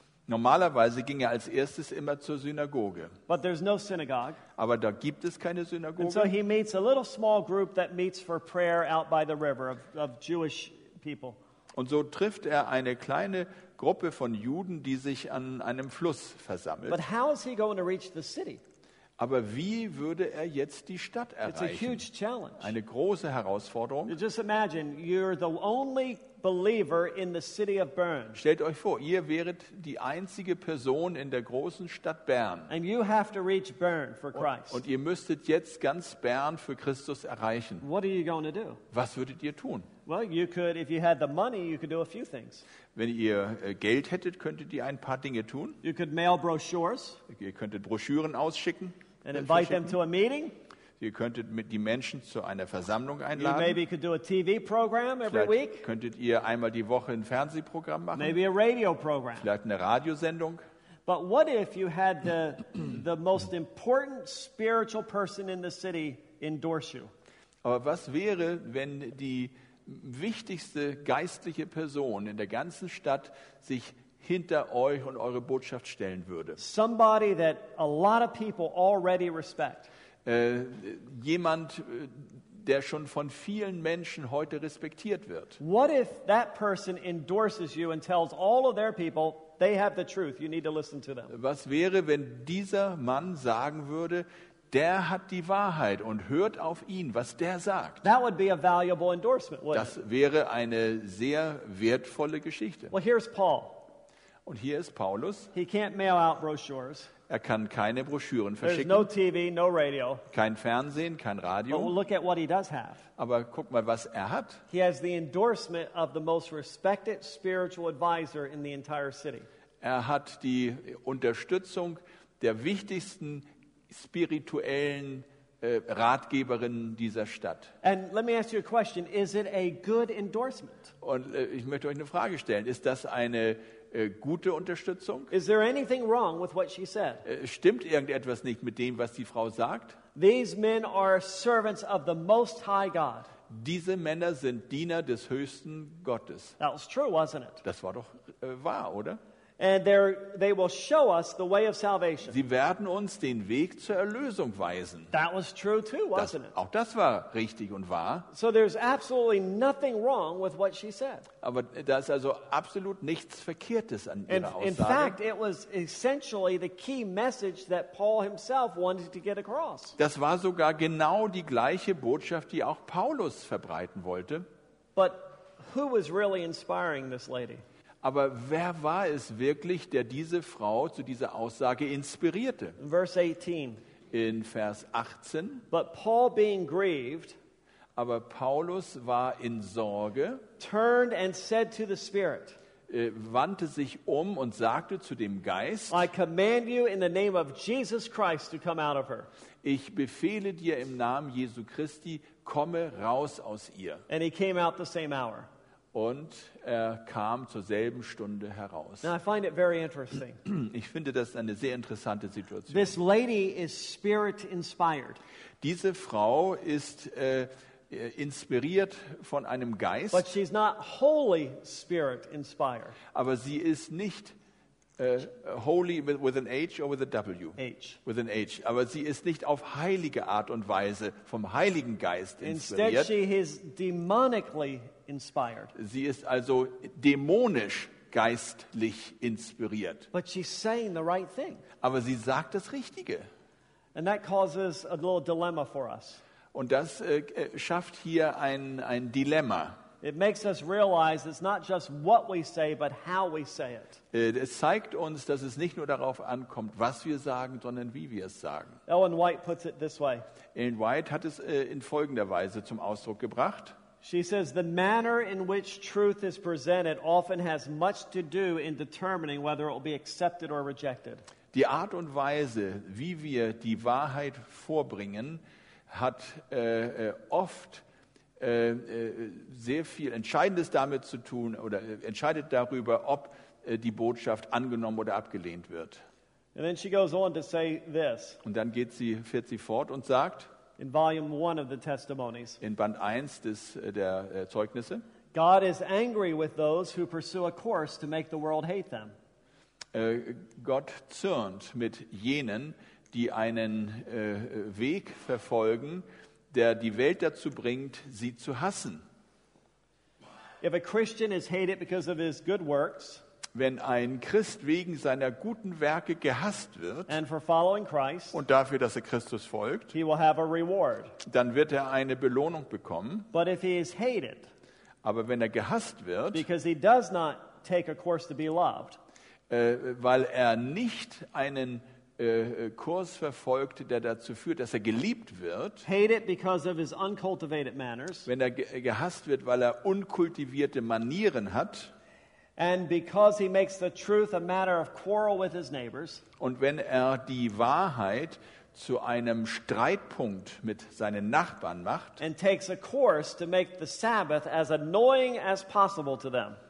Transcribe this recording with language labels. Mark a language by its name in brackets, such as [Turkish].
[German] Normalerweise ging er als erstes immer zur Synagoge. [English] But there's no synagogue. [German] Aber da gibt es keine Synagoge. [English] And so he meets a little small group that meets for prayer out by the river of Jewish people. [German] Und so trifft er eine kleine Gruppe von Juden, die sich an einem Fluss versammelt. [English] But how is he going to reach the city? [German] Aber wie würde er jetzt die Stadt erreichen? [English] It's a huge challenge. [German] Eine große Herausforderung. [English] Just imagine, you're the only believer in the city of Bern. [German] Stellt euch vor, ihr wäret die einzige Person in der großen Stadt Bern. [English] And you have to reach Bern for Christ. [German] Und ihr müsstet jetzt ganz Bern für Christus erreichen. [English] What are you going to do? [German] Was würdet ihr tun? [English] Well, you could, if you had the money, you could do a few things. [German] Wenn ihr Geld hättet, könntet ihr ein paar Dinge tun. [English] You could mail brochures. [German] Ihr könntet Broschüren ausschicken. [English] And invite them to a meeting. [German] Ihr könntet mit die Menschen zu einer Versammlung einladen. [English] You maybe could do a TV program every week. [German] Könntet ihr einmal die Woche ein Fernsehprogramm machen. [English] Maybe a radio program. [German] Vielleicht eine Radiosendung. [English] But what if you had the most important spiritual person in the city endorse you? [German] Aber was wäre, wenn die wichtigste geistliche Person in der ganzen Stadt sich hinter euch und eure Botschaft stellen würde? [English] Somebody that a lot of people already respect. [German] Jemand, der schon von vielen Menschen heute respektiert wird. [English] What if that person endorses you and tells all of their people they have the truth, you need to listen to them? [German] Was wäre, wenn dieser Mann sagen würde, der hat die Wahrheit und hört auf ihn, was der sagt? [English] That would be a valuable endorsement, wouldn't it? [German] Das wäre eine sehr wertvolle Geschichte. [English] Well, here's Paul. [German] Und hier ist Paulus. [English] He can't mail out brochures. [German] Er kann keine Broschüren verschicken. [English] There's no TV, no radio. [German] Kein Fernsehen, kein Radio. [English] But look at what he does have. [German] Aber guck mal, was er hat. [English] He has the endorsement of the most respected spiritual advisor in the entire city. [German] Er hat die Unterstützung der wichtigsten spirituellen Ratgeberin dieser Stadt. [English] And let me ask you a question. Is it a good endorsement? [German] Und ich möchte euch eine Frage stellen. Ist das eine gute Unterstützung? [English] Is there anything wrong with what she said? [German] Stimmt irgendetwas nicht mit dem, was die Frau sagt? [English] These men are servants of the Most High God. [German] Diese Männer sind Diener des höchsten Gottes. [English] That was true, wasn't it? [German] Das war doch wahr, oder? [English] And they will show us the way of salvation. [German] Sie werden uns den Weg zur Erlösung weisen. [English] That was true too, wasn't it? [German] Auch das war richtig und wahr. [English] So there's absolutely nothing wrong with what she said. [German] Aber da ist also absolut nichts Verkehrtes an ihrer Aussage. [English] In fact, it was essentially the key message that Paul himself wanted to get across. [German] Das war sogar genau die gleiche Botschaft, die auch Paulus verbreiten wollte. [English] But who was really inspiring this lady? [German] Aber wer war es wirklich, der diese Frau zu dieser Aussage inspirierte? [English] Verse 18. [German] In Vers 18. [English] But Paul being grieved, [German] aber Paulus war in Sorge, [English] turned and said to the Spirit, [German] wandte sich um und sagte zu dem Geist, [English] I command you in the name of Jesus Christ to come out of her. [German] Ich befehle dir im Namen Jesu Christi, komme raus aus ihr. [English] And he came out the same hour. [German] Und er kam zur selben Stunde heraus. [English] Now I find it very interesting. [German] Ich finde das eine sehr interessante Situation. [English] This lady is spirit inspired. [German] Diese Frau ist inspiriert von einem Geist. [English] But she's not holy spirit inspired. [German] Aber sie ist nicht [English] holy with an H or with a W? H. With an H. [German] Aber sie ist nicht auf heilige Art und Weise vom Heiligen Geist inspiriert. [English] Instead, she is demonically inspired. [German] Sie ist also dämonisch geistlich inspiriert. [English] But she's saying the right thing. [German] Aber sie sagt das Richtige. [English] And that causes a little dilemma for us. [German] Und das schafft hier ein Dilemma. [English] It makes us realize it's not just what we say, but how we say it. [German] Es zeigt uns, dass es nicht nur darauf ankommt, was wir sagen, sondern wie wir es sagen. [English] Ellen White puts it this way. [German] Ellen White hat es in folgender Weise zum Ausdruck gebracht. [English] She says, the manner in which truth is presented often has much to do in determining whether it will be accepted or rejected. [German] Die Art und Weise, wie wir die Wahrheit vorbringen, hat oft sehr viel Entscheidendes damit zu tun oder entscheidet darüber, ob die Botschaft angenommen oder abgelehnt wird. [English] And then she goes on to say this. [German] Und dann fährt sie fort und sagt, [English] in volume 1 of the testimonies. [German] In Band 1 der Zeugnisse. [English] God is angry with those who pursue a course to make the world hate them. [German] Gott zürnt mit jenen, die einen Weg verfolgen, der die Welt dazu bringt, sie zu hassen. [English] If a Christian is hated because of his good works, [German] wenn ein Christ wegen seiner guten Werke gehasst wird [English] Christ, [German] und dafür, dass er Christus folgt, [English] he will have a reward. [German] Dann wird er eine Belohnung bekommen. [English] But if he is hated, [German] aber wenn er gehasst wird, [English] because he does not take a course to be loved, [German] weil er nicht einen Kurs verfolgt, der dazu führt, dass er geliebt wird, [English] hated because of his uncultivated manners, [German] wenn er gehasst wird, weil er unkultivierte Manieren hat, [English] and because he makes the truth a matter of quarrel with his neighbors, [German] und wenn er die Wahrheit zu einem Streitpunkt mit seinen Nachbarn macht, [English] and takes a course to make the Sabbath as annoying as possible to them,